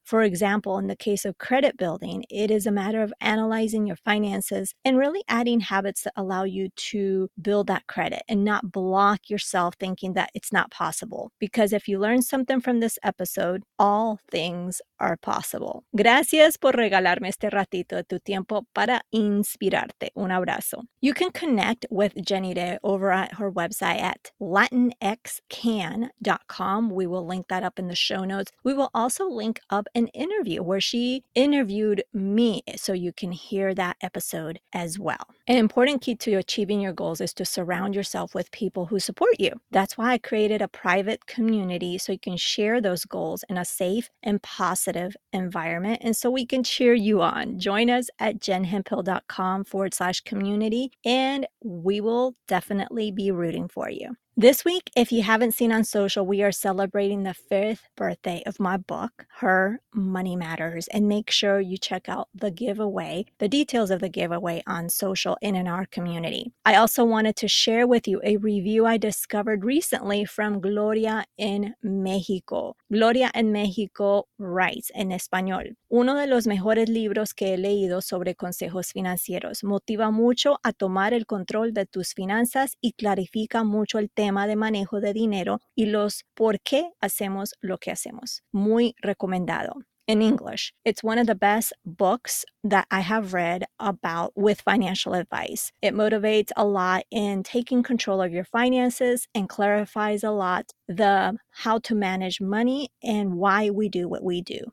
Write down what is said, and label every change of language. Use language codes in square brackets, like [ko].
[en] For example, in the case of credit building, it is a matter of analyzing your finances and really adding habits that allow you to build that credit and not block yourself thinking that it's not possible. Because if you learn something from this episode, all things are possible. Gracias por regalarme este ratito de tu tiempo para inspirarte. Un abrazo. You can connect with Janita over at her website at latinxcan.com. We will link that up in the show notes. We will also link up an interview where she interviewed me, so you can hear that episode as well. An important key to achieving your goals is to surround yourself with people who support you. That's why I created a private community so you can share those goals in a safe and positive environment. And so we can cheer you on. Join us at jenhemphill.com/community, and we will definitely be rooting for you. This week, if you haven't seen on social, we are celebrating the 5th birthday of my book, Her Money Matters. And make sure you check out the giveaway, the details of the giveaway on social and in our community. I also wanted to share with you a review I discovered recently from Gloria in Mexico. Gloria in Mexico writes [es] en español, uno de los mejores libros que he leído sobre consejos financieros. Motiva mucho a tomar el control de tus finanzas y clarifica mucho el tema de manejo de dinero y los por qué hacemos lo que hacemos. Muy recomendado. [en] In English, it's one of the best books that I have read about with financial advice. It motivates a lot in taking control of your finances and clarifies a lot the how to manage money and why we do what we do.